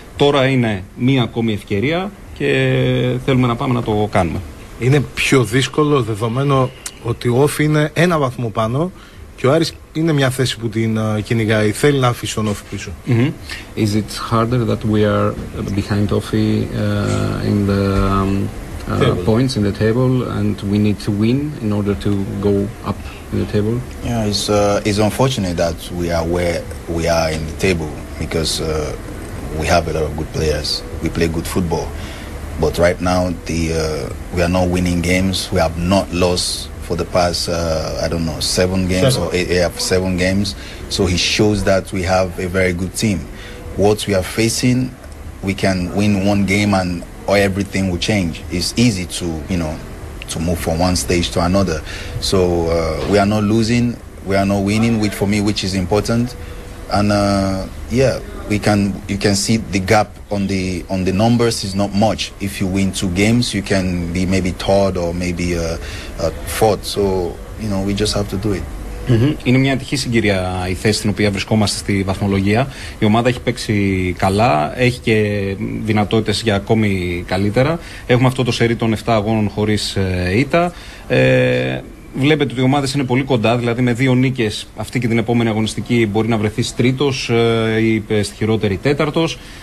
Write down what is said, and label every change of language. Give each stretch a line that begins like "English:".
Greek: Τώρα είναι μία ακόμη ευκαιρία και θέλουμε να πάμε να το κάνουμε. Είναι πιο δύσκολο δεδομένο ότι ο Όφη είναι ένα βαθμό πάνω και ο Άρης είναι μια θέση που την κυνηγάει, θέλει να αφήσει τον Όφη πίσω. Mm-hmm.
English: Is it harder that we are behind Όφη in the points in the table and we need to win in order to go up in the table? Yeah, it's unfortunate that we are where we are in the table because we have a lot of good players, we play good football, but right now we are not winning games, we have not lost for the past I don't know seven games. So he shows that we have a very good team. What we are facing, we can win one game and or everything will change. It's easy to, you know, to move from one stage to another. So we are not losing, we are not winning, which for me, which is important. And yeah, we can, you can see the gap on the numbers is not much. If you win two games, you can be maybe third or maybe fourth. So, you know, we just have to do it. Mm-hmm.
Greek: Είναι μια τυχή συγκυρία η θέση στην οποία βρισκόμαστε στη βαθμολογία. Η ομάδα έχει παίξει καλά, έχει και δυνατότητες για ακόμη καλύτερα. Έχουμε αυτό το σερί των 7 αγώνων χωρίς ήττα. Βλέπετε ότι οι ομάδες είναι πολύ κοντά, δηλαδή με δύο νίκες αυτή και την επόμενη αγωνιστική μπορεί να βρεθεί τρίτος ή στη χειρότερη τέταρτος.